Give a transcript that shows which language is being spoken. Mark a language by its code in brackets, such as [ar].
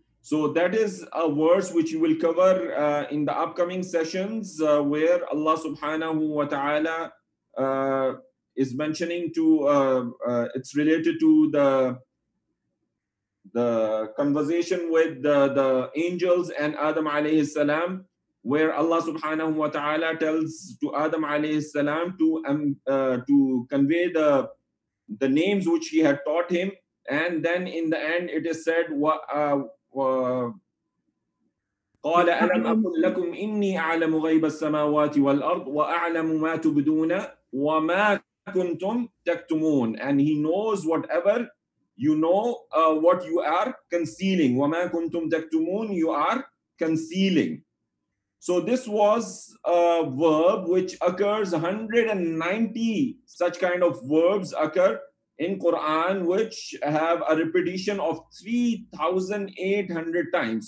[en] So that is a verse which you will cover in the upcoming sessions where Allah subhanahu wa ta'ala is mentioning to, it's related to the conversation with the angels and Adam alayhi salam, where Allah subhanahu wa ta'ala tells to Adam alayhi salam to convey the names which he had taught him. And then in the end, it is said, [ar] قال ألم أقل لكم إني أعلم غيب السماوات والأرض وأعلم ما تبدون وما كنتم تكتمون. [en] And he knows whatever you know, what you are concealing. [ar] وما كنتم تكتمون, [en] you are concealing. So this was a verb which occurs, 190 such kind of verbs occur in Quran, which have a repetition of 3,800 times.